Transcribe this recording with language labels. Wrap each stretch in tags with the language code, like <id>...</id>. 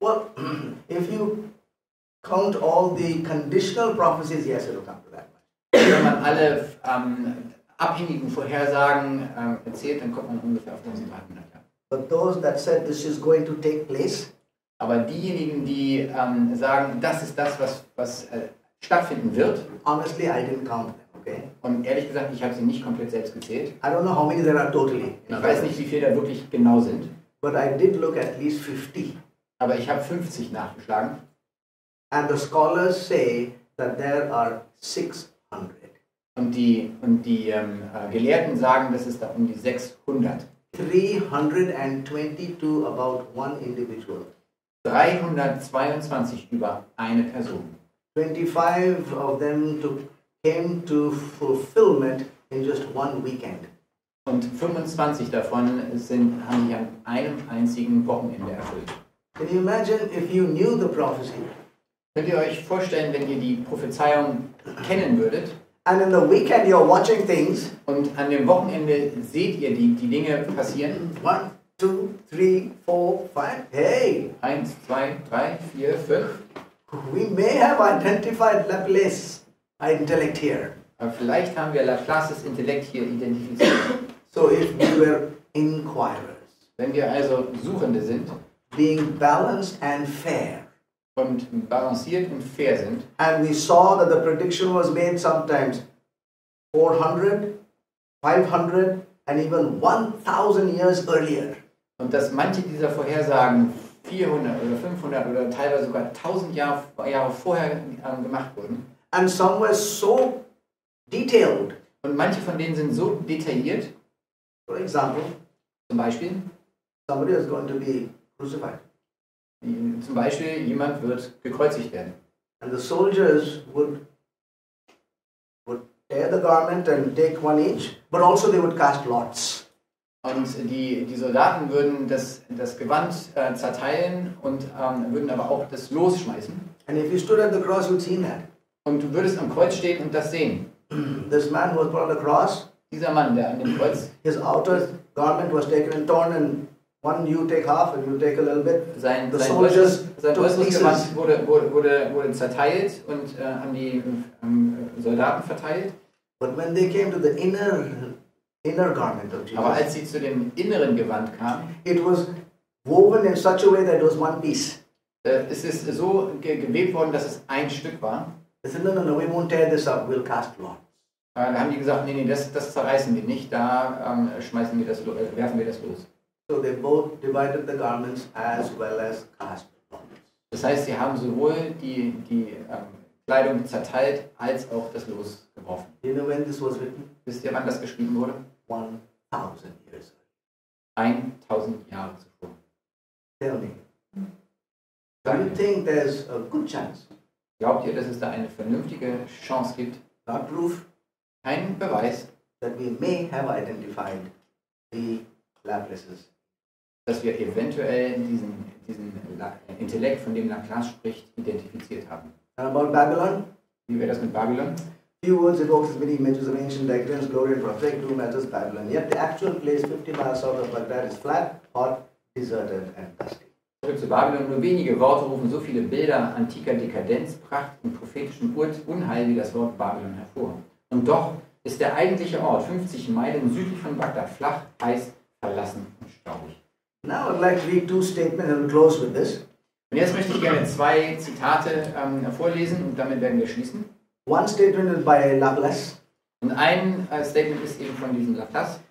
<en>Well, if you count all the conditional prophecies, yes, it'll come to that much.</en> <de>Wenn man alle abhängigen Vorhersagen erzählt, dann kommt man ungefähr auf 1300. Ja.</de> <en>But those that said this is going to take place?</en> <de>Aber diejenigen, die sagen, das ist das, was stattfinden wird.</de> <en>Honestly, I didn't count them, okay?</en> <de>Und ehrlich gesagt, ich habe sie nicht komplett selbst gezählt.</de> <en>I don't know how many there are totally.</en> <de>Ich weiß nicht, wie viele da wirklich genau sind.</de> <en>But I did look at least 50.</en> <de>Aber ich habe 50 nachgeschlagen.</de> <en>And the scholars say that there are 600.</en> <de>Und die Gelehrten sagen, dass es da um die 600.</de> <en>322 about one individual.</en> <de>322 über eine Person.</de> <en>25 of them came to fulfillment in just one weekend.</en> <de>Und 25 davon haben sich an einem einzigen Wochenende erfüllt.</de> <en>Can you imagine if you knew the prophecy?</en> <de>Könnt ihr euch vorstellen, wenn ihr die Prophezeiung kennen würdet?</de> <en>And in the weekend you're watching things.</en> <de>Und an dem Wochenende seht ihr die Dinge passieren.</de> <en>1, 2, 3, 4, 5. Hey.</en> <de>1, 2, 3, 4, 5.</de> <en>We may have identified Laplace's intellect here.</en> <de>Aber vielleicht haben wir Laplace's Intellekt hier identifiziert.</de> <en>So if we were inquirers,</en> <de>wenn wir also Suchende sind,</de> <en>being balanced and fair,</en> <de>und balanciert und fair sind,</de> <en>and we saw that the prediction was made sometimes 400, 500 and even 1000 years earlier.</en> <de>Und dass manche dieser Vorhersagen 400 oder 500 oder teilweise sogar 1000 Jahre vorher gemacht wurden.</de> <en>And some were so detailed.</en> <de>Und manche von denen sind so detailliert.</de> <en>For example,</en> <de>zum Beispiel,</de> <en>somebody is going to be crucified.</en> <de>Zum Beispiel, jemand wird gekreuzigt werden.</de> <en>And the soldiers would tear the garment and take one each, but also they would cast lots.</en> <de>Und die Soldaten würden das Gewand zerteilen und würden aber auch das Los schmeißen.</de> <en>And if you stood at the cross, you'd see that.</en> <de>Und du würdest am Kreuz stehen und das sehen.</de> <en>This man who was put on the cross,</en> <de>dieser Mann, der an dem Kreuz,</de> <en>his outer garment was taken and torn, and one you take half and you take a little bit.</en> <de>Sein äußeres Gewand wurde zerteilt und an die Soldaten verteilt.</de> <en>But when they came to the inner garment of Jesus.</en> <de>Aber als sie zu dem inneren Gewand kam,</de> <en>it was woven in such a way that it was one piece.</en> <de>Es ist so gewebt worden, dass es ein Stück war.</de> <en>They said, no, we won't tear this up, we'll cast lots.</en> <de>Dann haben die gesagt, nee, das zerreißen wir nicht, da schmeißen wir das, werfen wir das los.</de> <en>So they both divided the garments as well as cast lots.</en> <de>Das heißt, sie haben sowohl die Kleidung zerteilt, als auch das Los geworfen.</de> <en>You know when this was written?</en> <de>Wisst ihr, wann das geschrieben wurde?</de> <en>1000 years ago.</en> <de>1000 Jahre zuvor.</de> <en>Tell me. Do you think there's a good chance?</en> <de>Glaubt ihr, dass es da eine vernünftige Chance gibt?</de> <en>Not proof.</en> <de>Kein Beweis.</de> <en>That we may have identified the Laplaces.</en> <de>Dass wir eventuell diesen Intellekt, von dem Laplace spricht, identifiziert haben.</de> <en>And about Babylon?</en> <de>Wie wäre das mit Babylon?</de> <en>Few words evoke as many images of ancient decadence, glory and prophetic doom as is Babylon. Yet the actual place, 50 miles south of Baghdad, is flat, hot, deserted and dusty.</en> <de>Zu Babylon, nur wenige Worte rufen so viele Bilder antiker Dekadenz, Pracht und prophetischem Unheil wie das Wort Babylon hervor. Und doch ist der eigentliche Ort 50 Meilen südlich von Bagdad flach, heiß, verlassen und staubig.</de> <en>Now I'd like to read two statements and close with this.</en> <de>Und jetzt möchte ich gerne zwei Zitate vorlesen und damit werden wir schließen.</de> <en>One statement is by Laplace.</en> <de>Und ein Statement ist eben von diesem Laplace.</de>